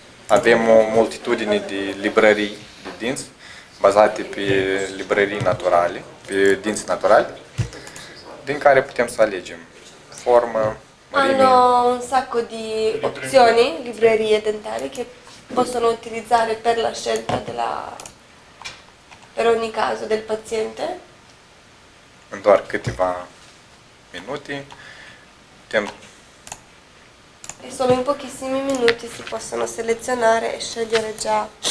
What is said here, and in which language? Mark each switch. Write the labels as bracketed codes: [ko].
[ro] Avem o multitudine de librării de dinți, bazate pe librării naturale, pe dinți naturali, din care putem să alegem formă, mărime. [it] Hanno un sacco di opzioni, librerie dentale, che possono utilizzare per la scelta per ogni caso del paziente. [ro] În doar câteva minute, putem... [it] E solo in pochissimi minuti si possono selezionare e scegliere già